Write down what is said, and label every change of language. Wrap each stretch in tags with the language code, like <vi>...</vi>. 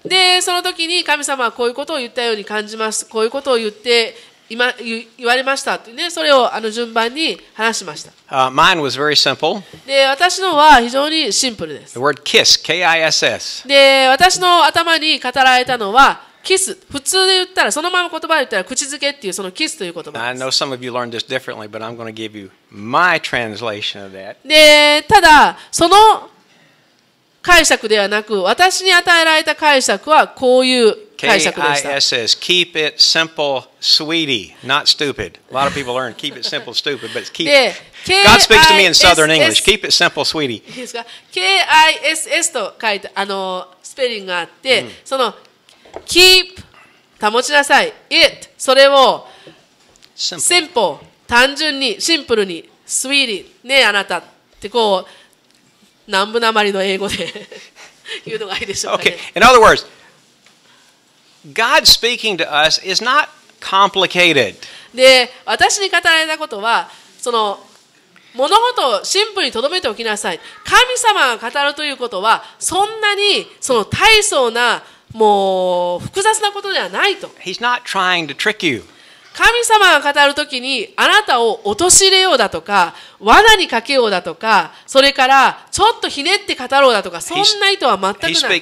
<ja>で、その時に神様はこういうことを言ったように感じます。こういうことを言って、言われましたってね、それを順番に話しました。</ja> <en>Mine was very simple.</en> <ja>で、私のは非常にシンプルです。</ja> <en>The word kiss, K-I-S-S.</en> <ja>で、私の頭に語られたのは、kiss。普通で言ったら、そのまま言葉で言ったら、口づけっていうその kiss という言葉です。</ja> <en>I know some of you learned this differently, but I'm going to give you my translation of that.</en> <ja>で、ただ、その解釈ではなく、私に与えられた解釈はこういう解釈でした。</ja> <en>K-I-S-S, keep it simple, sweetie, not stupid. A lot of people learn keep it simple, stupid, but keep it. God speaks to me in Southern English. Keep it simple, sweetie.</en> <ja>K-I-S-S と書いてスペリングがあって、その keep 保ちなさい it それを</ja> <en>simple</en> <ja>単純にシンプルに sweetie ねあなたってこう南部なまりの英語で言うのがいいでしょうかね。</ja> <en>Okay. In other words, God speaking to us is not complicated.</en> <ja>で、私に語られたことは、その物事をシンプルに留めておきなさい。神様が語るということは、そんなにその大層なもう複雑なことではないと。</ja> <en>He's not trying to trick you.</en> <ja>神様が語るときにあなたを陥れようだとか罠にかけようだとかそれからちょっとひねって語ろうだとかそんな意図は全くない。</ja>